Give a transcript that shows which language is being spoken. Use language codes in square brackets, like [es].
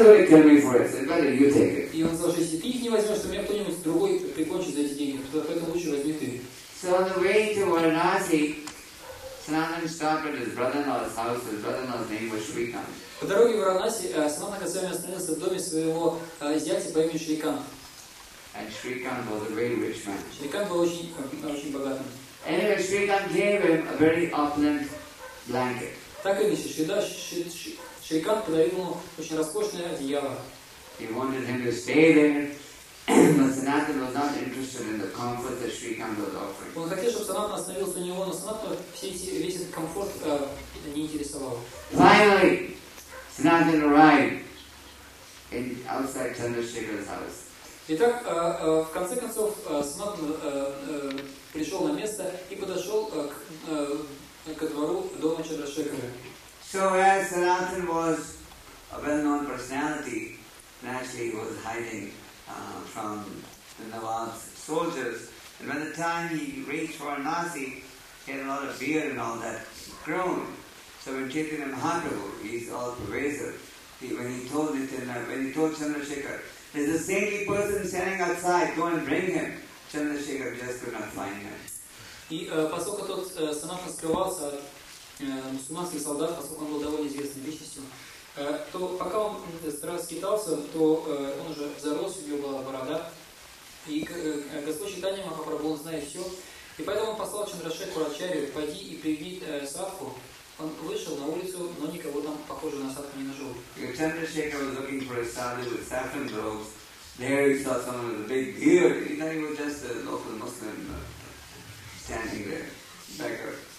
[ru] И он сказал, что если ты их не возьмешь, то меня кто-нибудь другой прикончит за эти деньги, поэтому лучше возьми ты. [en] So on the way to Varanasi, Sanatan stopped at his brother-in-law's house. His brother-in-law's name was Shrikant. [ru] По дороге в Варанаси Санатан Госвами остановился в доме своего зятя по имени Шрикант. [en] And Shrikant was a very rich man. [ru] Шрикант был очень богатым. [en] Anyway, Shrikant gave him a very opulent blanket. [ru] Так и нечто. Шрикант подарил ему очень роскошное одеяло. [en] He wanted him to stay there, but Sanatan was not interested in the comfort that Shrikant was offering. [ru] Он хотел, чтобы Санатан остановился у него, но Санатан весь этот комфорт не интересовал. [en] Finally, Sanatan arrived in outside Chandrasekhar's house. [ru] Итак, в конце концов, Санатан пришел на место и подошел к двору дома Чандрашекхара. [en] So, as Sanatan was a well-known personality, naturally he was hiding from the Nawab's soldiers. And by the time he reached Varanasi, he had a lot of beard and all that grown. So, when Chaitanya Mahaprabhu, he's all pervasive, when he told Chandrasekhar, "There's a saintly person standing outside. Go and bring him." Chandrasekhar just could not find him. [ru] И поскольку тот Санатан скрывался от мусульманских солдат, поскольку он был довольно известной личностью, то пока он скитался, то он уже зарос, у него была борода. И Господь Чайтанья Махапрабху, он знает все. И поэтому он послал Чандрашекхару Ачарью: "Пойди и приведи садху." Он вышел на улицу, но никого там, похоже, на садху не нашел. [en] Chandrasekhar was looking for a sadhu with saffron robes. There he saw someone with a big beard. He thought he was just a local Muslim standing there, beggar.